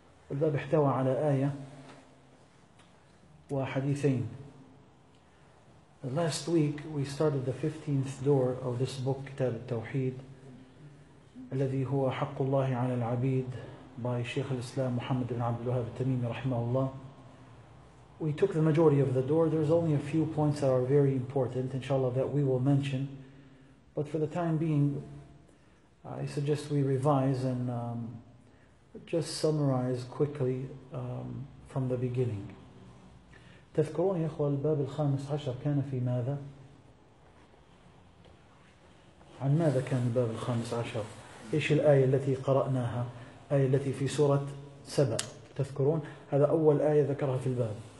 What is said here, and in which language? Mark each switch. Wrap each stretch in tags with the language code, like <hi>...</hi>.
<ar>الباب احتوى على آية وحديثين.</ar> <en>Last week we started the 15th door of this book, كتاب التوحيد الذي هو حق الله على العبيد by شيخ الإسلام محمد بن عبد الوهاب التميمي رحمه الله. We took the majority of the door. There's only a few points that are very important, inshallah, that we will mention. But for the time being, I suggest we revise and just summarize quickly from the beginning.</en> <ar>تذكرون يا أخوة الباب الخامس عشر كان في ماذا؟ عن ماذا كان الباب الخامس عشر؟ إيش الآية التي قرأناها؟ آية التي في سورة سبأ، تذكرون؟ هذا أول آية ذكرها في الباب.</ar>